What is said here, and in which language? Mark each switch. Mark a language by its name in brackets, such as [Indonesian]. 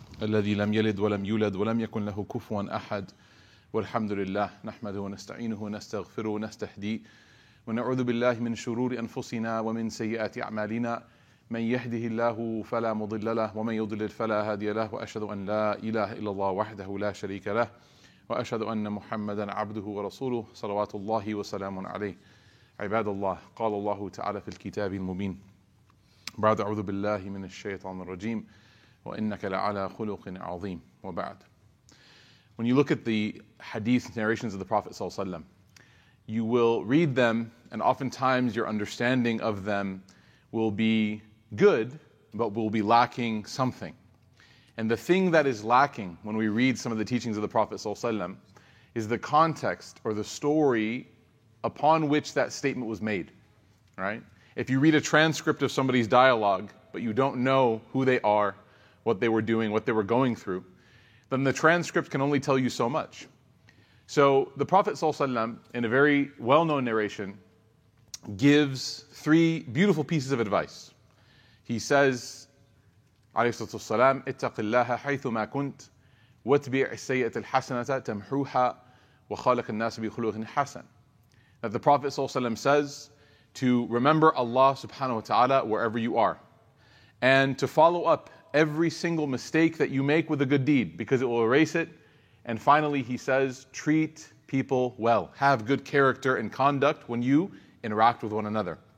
[Arabic] الذي لم يلد ولم يولد ولم يكن له كفوا أحد والحمد لله نحمده ونستعينه ونستغفره ونستهديه ونعوذ بالله من شرور أنفسنا ومن سيئات أعمالنا من يهده الله فلا مضل له ومن يضلل فلا هادي له وأشهد أن لا إله إلا الله وحده لا شريك له وأشهد أن محمدا عبده ورسوله صلوات الله وسلام عليه عباد الله قال الله تعالى في الكتاب المبين بعد أعوذ بالله من الشيطان الرجيم وَإِنَّكَ لَعَلَىٰ خُلُقٍ عَظِيمٍ وَبَعْدٍ. [English] When you look at the hadith narrations of the Prophet ﷺ, you will read them, and oftentimes your understanding of them will be good, but will be lacking something. And the thing that is lacking when we read some of the teachings of the Prophet ﷺ is the context or the story upon which that statement was made, right? If you read a transcript of somebody's dialogue, but you don't know who they are, what they were doing, what they were going through, then the transcript can only tell you so much. So the Prophet ﷺ, in a very well-known narration, gives three beautiful pieces of advice. He says, [Arabic] والسلام, اتق الله حيث ما كنت واتبع السيئة الحسنة تمحوها وخالق الناس بخلق حسن. [English] That the Prophet ﷺ says to remember Allah subhanahu wa ta'ala wherever you are, and to follow up every single mistake that you make with a good deed, because it will erase it. And finally, he says, treat people well. Have good character and conduct when you interact with one another.